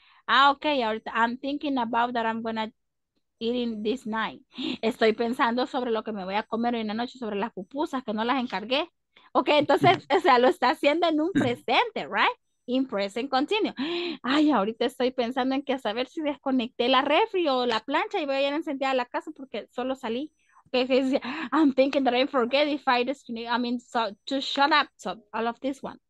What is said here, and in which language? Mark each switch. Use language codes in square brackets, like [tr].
[en] Ah, okay, ahorita I'm thinking about that I'm gonna eat in this night. [es] Estoy pensando sobre lo que me voy a comer hoy en la noche, sobre las pupusas que no las encargué. Okay, entonces, o sea, lo está haciendo en un presente, [en] right? In present continue. [es] Ay, ahorita estoy pensando en que a saber si desconecté la refri o la plancha y voy a ir encendida a la casa porque solo salí. [en] Okay, I'm thinking that I forget if I just, I mean, so to shut up, so all of this one.